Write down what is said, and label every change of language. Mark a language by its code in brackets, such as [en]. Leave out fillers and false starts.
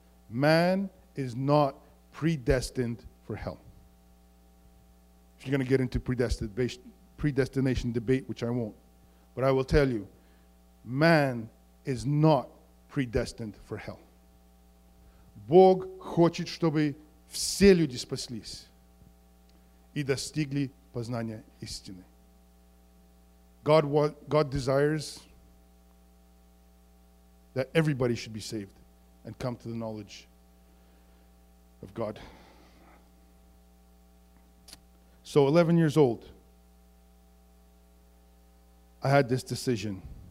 [en] Man is not predestined for hell. If you're going to get into predestination debate, which I won't, but I will tell you, man is not predestined for hell. [ru] Бог хочет, чтобы все люди спаслись и достигли познания истины. [en] God desires that everybody should be saved and come to the knowledge of God. So 11 years old, I had this decision.